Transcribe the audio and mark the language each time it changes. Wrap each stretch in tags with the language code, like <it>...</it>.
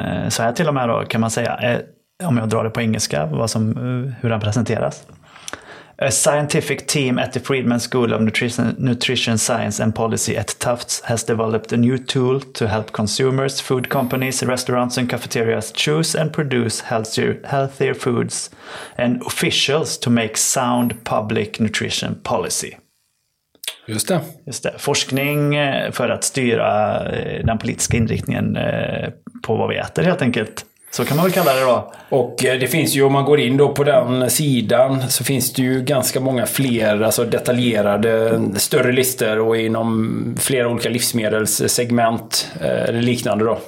<sv>Så här till och med då kan man säga, om jag drar det på engelska, hur den presenteras.</sv> <en>A scientific team at the Friedman School of Nutrition Science and Policy at Tufts has developed a new tool to help consumers, food companies, restaurants and cafeterias choose and produce healthier foods and officials to make sound public nutrition policy.</en> <sv>Just det. Just det. Forskning för att styra den politiska inriktningen på vad vi äter, helt enkelt. Så kan man väl kalla det då. Och det finns ju, om man går in då på den sidan, så finns det ju ganska många fler, alltså detaljerade, större listor och inom flera olika livsmedelssegment eller liknande då.</sv>